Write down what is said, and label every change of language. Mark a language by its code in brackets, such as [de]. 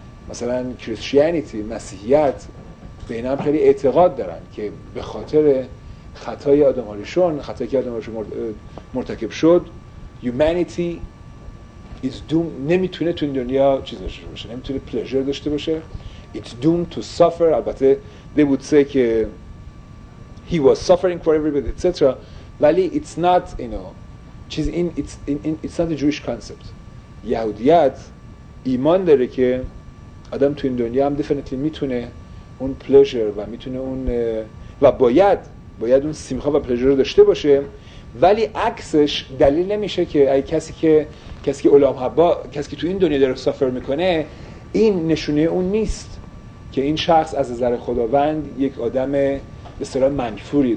[fa] مثلا کریستیانیتی، مسیحیت به این هم خیلی اعتقاد دارن که به خاطر خطای آدم هاریشون، خطایی که آدم هاریشون مرتکب شد، [en] humanity is doomed، [fa] نمیتونه تو این دنیا چیز داشته باشه، نمیتونه pleasure داشته باشه، [en] it's doomed to suffer. [fa] البته [en] they would say [fa] که [en] he was suffering for everybody etc. [fa] ولی [en] it's not you know [fa] چیز این [en] it's not a Jewish concept. [fa] یهودیت ایمان داره که آدم تو این دنیا هم definitely میتونه اون پلژر و میتونه اون و باید اون سیمخا و پلژر رو داشته باشه، ولی عکسش دلیل نمیشه که اگه کسی که علام حبا، کسی که تو این دنیا داره سافر میکنه، این نشونه اون نیست که این شخص از نظر خداوند یک آدم به اصطلاح منفوری.